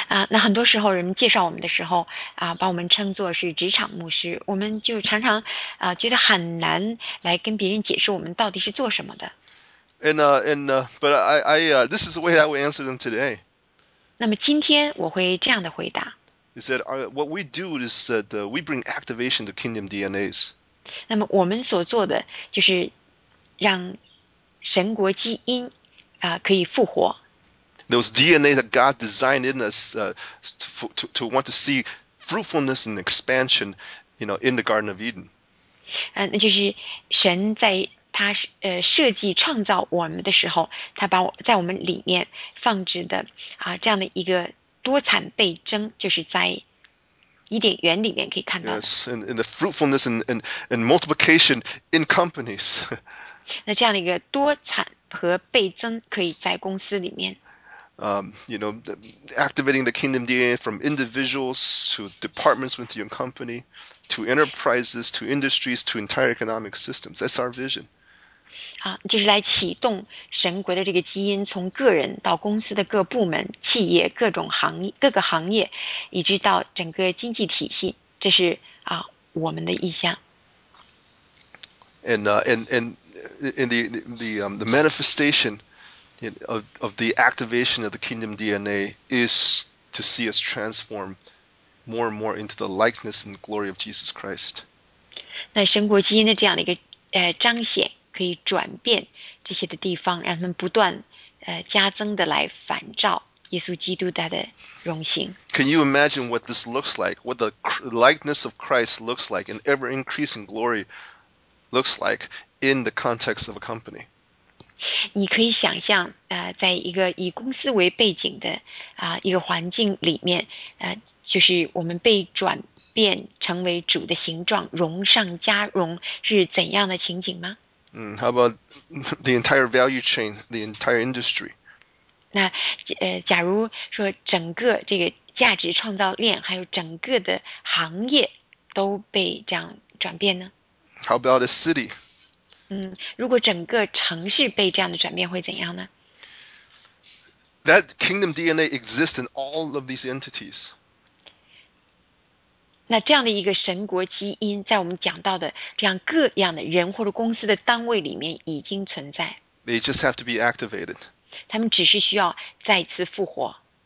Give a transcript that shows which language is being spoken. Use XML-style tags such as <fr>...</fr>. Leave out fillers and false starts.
<zh>那很多时候人们介绍我们的时候把我们称作是职场牧师，我们就常常觉得很难来跟别人解释我们到底是做什么的。</zh> <en>But this is the way I will answer them today.</en> <zh>那么今天我会这样的回答。</zh> <en>Is that what we do is that we bring activation to kingdom DNAs.</en> <zh>那么我们所做的就是让神国基因可以复活。</zh> <en>Those DNA that God designed in us to want to see fruitfulness and expansion, you know, in the Garden of Eden.</en> <zh>那就是神在他设计创造我们的时候，他把在我们里面放置的这样的一个多产倍增，就是在伊甸园里面可以看到。</zh> <en>Yes, and the fruitfulness and multiplication in companies.</en> <zh>那这样的一个多产和倍增可以在公司里面。</zh> <en>You know, activating the kingdom DNA from individuals to departments within your company, to enterprises, to industries, to entire economic systems. That's our vision.</en> <zh>就是来启动神国的这个基因，从个人到公司的各部门、企业、各种行业、各个行业，以及到整个经济体系，这是我们的意向。</zh> <en>And the manifestation of the activation of the kingdom DNA is to see us transform more and more into the likeness and glory of Jesus Christ.</en> <zh>那神国基因的这样的一个彰显，可以转变这些的地方，让他们不断加增的来反照耶稣基督他的荣形。</zh> <en>Can you imagine what this looks like? What the likeness of Christ looks like, and ever increasing glory looks like in the context of a company?</en> <zh>你可以想象在一个以公司为背景的一个环境里面就是我们被转变成为主的形状，荣上加荣，是怎样的情景吗？</zh> <en>How about the entire value chain, the entire industry?</en> <zh>那假如说整个这个价值创造链，还有整个的行业都被这样转变呢？</zh> <en>How about a city?</en> <zh>如果整个城市被这样的转变会怎样呢？</zh> <en>That kingdom DNA exists in all of these entities.</en> <zh>那这样的一个神国基因，在我们讲到的这样各样的人或者公司的单位里面已经存在。</zh> <en>They just have to be activated.</en> <zh>他们只是需要再次复活。</zh>